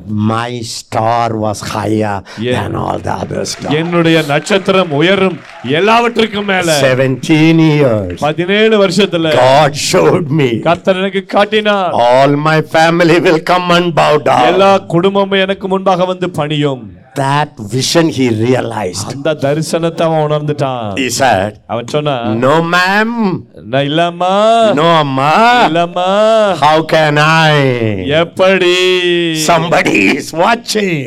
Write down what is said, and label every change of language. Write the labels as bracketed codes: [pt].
[en] my star was higher than all the others. [ta] என்னுடைய நட்சத்திரம் உயரும் எல்லாவற்றுக்கும் மேல. [en] 17 years. [ta] 17 வருஷத்துல [en] God showed me. [ta] கர்த்தர் எனக்கு காட்டினார். [en] All my family will come and bow down. [ta] எல்லா குடும்பமும் எனக்கு முன்பாக வந்து பணியும். [en] That vision he realized. [ta] அந்த தரிசனத்தை அவன் உணர்ந்துட்டான். [en] He said. [ta] அவன் சொன்னான். [en] No ma'am. [ta] நான் இல்லம்மா. [en] No amma. [ta] இல்லம்மா. [en] How can I? [ta] எப்படி? [en] Somebody is watching.